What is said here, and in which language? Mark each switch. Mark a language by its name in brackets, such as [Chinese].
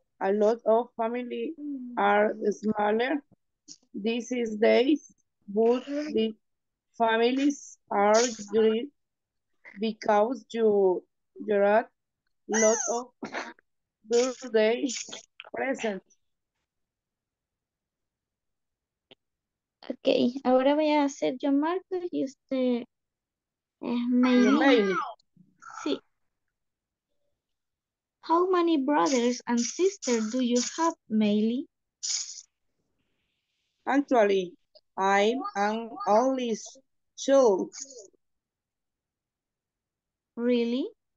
[English] A lot of families are smaller these days, but the families are great because you have a lot of birthday presents. [Spanish] Ok, ahora voy a hacer yo Marco y usted Mayley. Sí. [English] How many brothers and sisters do you have, Mayley? Actually, I'm an only child. Really?